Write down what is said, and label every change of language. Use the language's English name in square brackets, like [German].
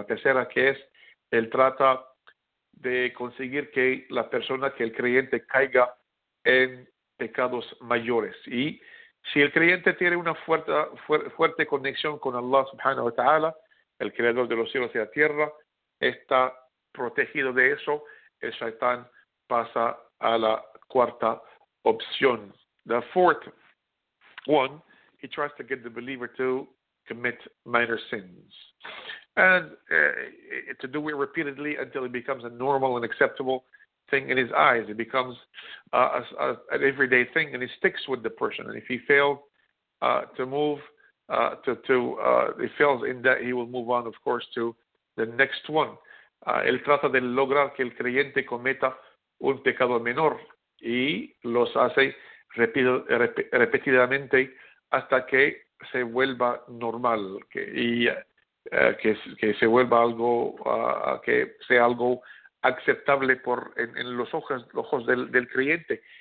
[Spanish] La tercera, que es, él trata de conseguir que la persona, que el creyente, caiga en pecados mayores. Y si el creyente tiene una fuerte conexión con Allah subhanahu wa ta'ala, el creador de los cielos y la tierra, está protegido de eso, el shaitán pasa a la cuarta opción. [English] The fourth one, he tries to get the believer to commit minor sins. And to do it repeatedly until it becomes a normal and acceptable thing in his eyes. It becomes an everyday thing, and it sticks with the person. And if he fails to move, if he fails in that, he will move on, of course, to the next one. [Spanish] Él trata de lograr que el creyente cometa un pecado menor y los hace repetidamente hasta que se vuelva normal, que se vuelva algo, que sea algo aceptable en los ojos del creyente.